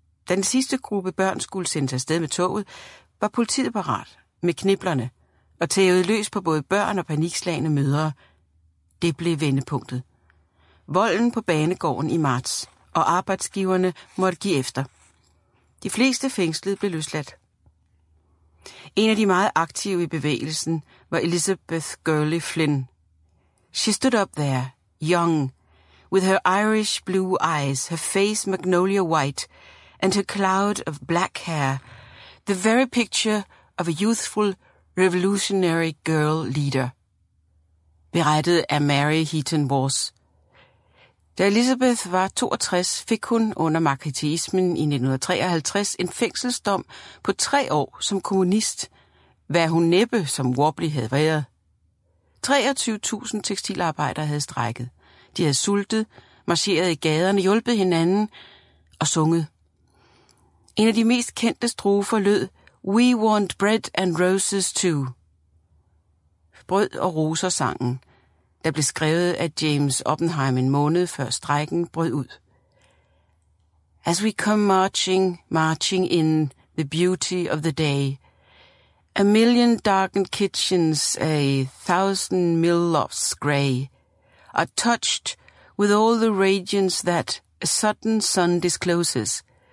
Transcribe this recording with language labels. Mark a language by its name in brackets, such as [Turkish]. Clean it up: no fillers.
[Danish] Da den sidste gruppe børn skulle sendes afsted med toget, var politiet parat med kniblerne og tævede løs på både børn og panikslagne mødre. Det blev vendepunktet. Volden på banegården i marts, og arbejdsgiverne måtte give efter. De fleste fængslede blev løsladt. En af de meget aktive i bevægelsen var Elizabeth Gurley Flynn. [English] She stood up there, young, with her Irish blue eyes, her face magnolia white, and her cloud of black hair, the very picture of a youthful revolutionary girl leader, [Danish] berettede af [English] Mary Heaton Walsh. [Danish] Da Elizabeth var 62, fik hun under macarthyismen i 1953 en fængselsdom på 3 år som kommunist, hvad hun næppe som wobbly havde været. 23.000 tekstilarbejdere havde strejket. De havde sultet, marcheret i gaderne, hjulpet hinanden og sunget. En af de mest kendte strofer lød, [English] "We want bread and roses too." [Danish] Brød og roser sangen, der blev skrevet af James Oppenheim en måned før strejken brød ud. [English] As we come marching, marching in the beauty of the day, a million darkened kitchens, a thousand mill lofts grey, are touched with all the radiance that a sudden sun discloses.